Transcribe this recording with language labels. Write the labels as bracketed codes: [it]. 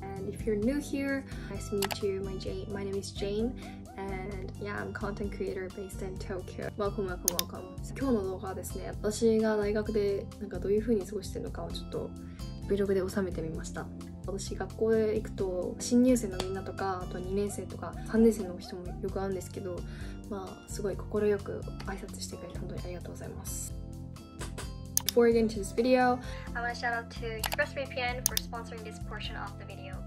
[en] And if you're new here, nice to meet you. My name is Jane. And yeah, I'm content creator based in Tokyo. Welcome, welcome, welcome. [ja] 今日の動画はですね、私が大学でなんかどういう風に過ごしてるのかをちょっとVlogで収めてみました。私学校へ行くと新入生のみんなとかあと2年生とか3年生の人もよく会うんですけど、まあすごい心よく挨拶してくれて本当にありがとうございます。 [en] Before we get into this video, I want to shout out to ExpressVPN for sponsoring this portion of the video.